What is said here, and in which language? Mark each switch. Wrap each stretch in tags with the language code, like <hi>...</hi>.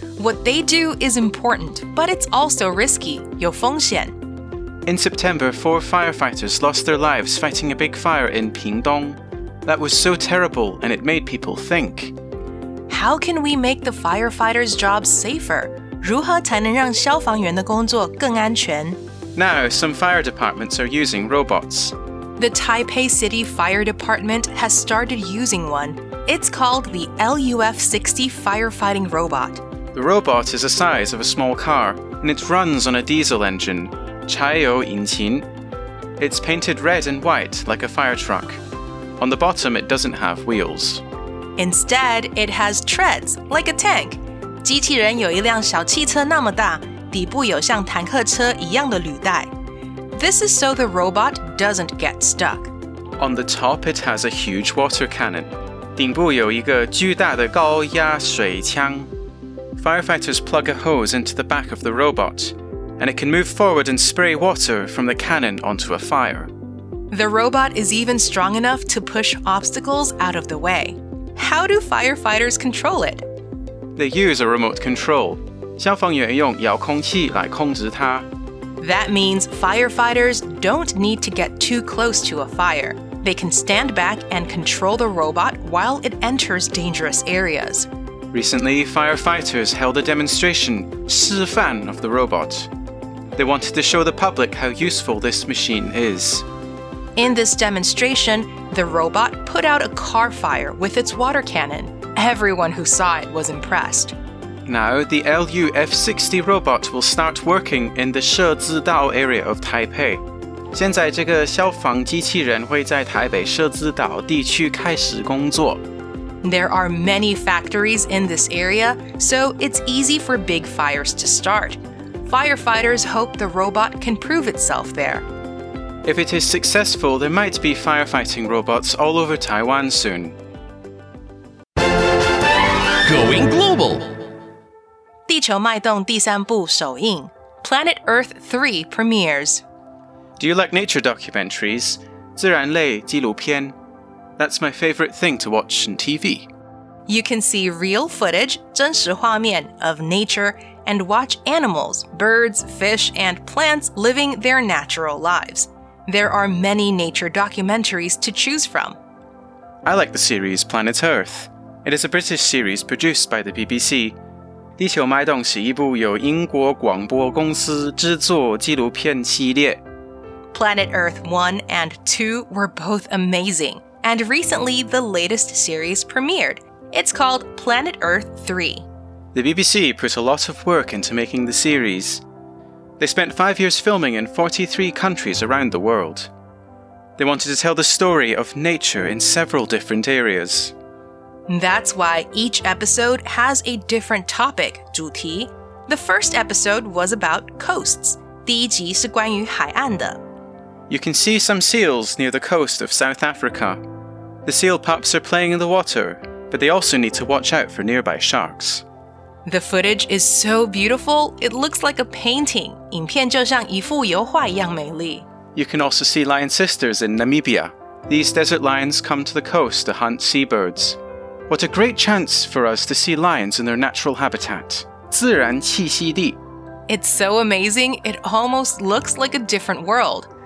<en>What they do is important, but it's also risky.</en> <zh>有风险.</zh> <en>In September, four firefighters lost their lives fighting a big fire in Pingtung. That was so terrible, and it made people think. How can we make the firefighters' jobs safer?</en> <zh>如何才能讓消防員的工作更安全?</zh> <en>Now, some fire departments are using robots. The Taipei City Fire Department has started using one. It's called the LUF60 Firefighting Robot. The robot is the size of a small car, and it runs on a diesel engine, 柴油引擎. It's painted red and white, like a fire truck. On the bottom, it doesn't have wheels. Instead, it has treads, like a tank.</en> <zh>機器人有一輛小汽車那麼大,底部有像坦克車一樣的履帶。</zh> <en>This is so the robot doesn't get stuck. On the top, it has a huge water cannon.</en> <zh>頂部有一個巨大的高壓水槍。</zh> <en>Firefighters plug a hose into the back of the robot, and it can move forward and spray water from the cannon onto a fire. The robot is even strong enough to push obstacles out of the way. How do firefighters control it? They use a remote control.</en> <zh>消防员用遥控器来控制它。</zh> <en>That means firefighters don't need to get too close to a fire. They can stand back and control the robot while it enters dangerous areas. Recently, firefighters held a demonstration, 示范 of the robot. They wanted to show the public how useful this machine is. In this demonstration, the robot put out a car fire with its water cannon. Everyone who saw it was impressed. Now, the LUF60 robot will start working in the Shezidao area of Taipei.</en> <zh>现在这个消防机器人会在台北社子岛地区开始工作。</zh> <en>There are many factories in this area, so it's easy for big fires to start. Firefighters hope the robot can prove itself there. If it is successful, there might be firefighting robots all over Taiwan soon. Going global.</en> <zh>地球脉动第三部首映 Planet Earth 3 premieres.</zh> <en>Do you like nature documentaries? 自然类纪录片 That's my favorite thing to watch on TV. You can see real footage, 真实画面 of nature and watch animals, birds, fish, and plants living their natural lives. There are many nature documentaries to choose from. I like the series Planet Earth. It is a British series produced by the BBC.</en> <zh>地球脉动是一部由英国广播公司制作纪录片系列。</zh> <en>Planet Earth 1 and 2 were both amazing, and recently the latest series premiered. It's called Planet Earth 3. The BBC put a lot of work into making the series. They spent 5 years filming in 43 countries around the world. They wanted to tell the story of nature in several different areas. That's why each episode has a different topic, 主题. The first episode was about coasts.</en> <zh>第一集是关于海岸的.</zh> <en>You can see some seals near the coast of South Africa. The seal pups are playing in the water, but they also need to watch out for nearby sharks. The footage is so beautiful, it looks like a painting.</en> <zh>影片就像一幅油画一样美丽.</zh> <en>You can also see lion sisters in Namibia. These desert lions come to the coast to hunt seabirds. What a great chance for us to see lions in their natural habitat.</en> <zh>自然栖息地</zh> <en>It's so amazing, it almost looks like a different world.</en>